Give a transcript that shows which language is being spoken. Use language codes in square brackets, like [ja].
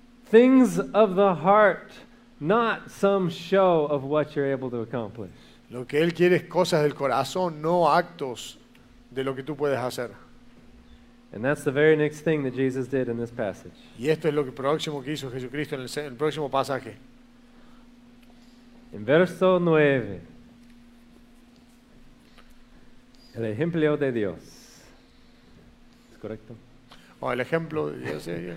[en] Things of the heart Not some show of what you're able to accomplish. [es] Lo que él quiere es cosas del corazón, no actos de lo que tú puedes hacer. And that's the very next thing that Jesus did in this passage. Y esto es lo que próximo que hizo Jesucristo en el próximo pasaje. En verso 9. El ejemplo de Dios. ¿Es correcto? Oh, el ejemplo de Dios.